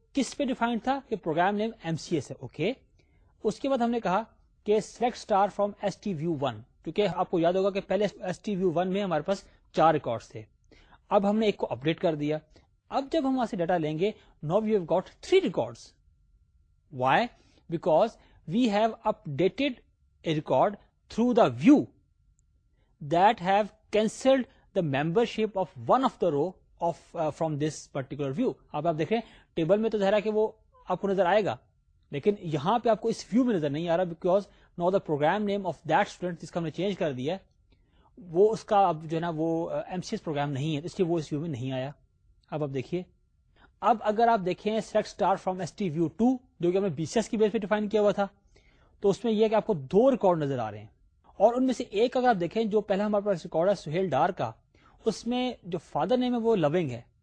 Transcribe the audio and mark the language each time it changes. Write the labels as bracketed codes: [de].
[ur] کس پہ ڈیفائنڈ تھا کہ program name M C S ہے. اوکے اس کے بعد ہم نے کہا کہ select star from S T view one, کیونکہ آپ کو یاد ہوگا کہ پہلے ایس ٹی ویو ون میں ہمارے پاس چار ریکارڈ تھے, اب ہم نے ایک کو اپڈیٹ کر دیا. اب جب ہم وہاں سے ڈیٹا لیں گے [en] Now we have got three record. Why? Because we have updated a record through the view that have cancelled the membership of one of the row of from this particular view. [ur] اب آپ دیکھیں table میں تو ظاہر ہے کہ وہ آپ کو نظر آئے گا, لیکن یہاں پہ آپ کو اس ویو میں نظر نہیں آ رہا, [en] because now the program name of that student [ur] جس کا ہم نے چینج کر دیا وہ اس کا اب جو ہے نا وہ ایم سی ایس پروگرام نہیں ہے, اس لیے وہ اس ویو میں نہیں آیا. اب آپ دیکھیے, اب اگر آپ دیکھیں select star from S T view to جو کہ ہم نے بی سی ایس کی بیس پہ ڈیفائن کیا ہوا تھا, تو اس میں یہ کہ آپ کو دو ریکارڈ نظر آ رہے ہیں, اور ان میں سے ایک اگر آپ دیکھیں جو پہلا ہمارے پاس ریکارڈ ہے سہیل ڈار کا, اس میں جو فادر نیم ہے وہ لونگ ہے.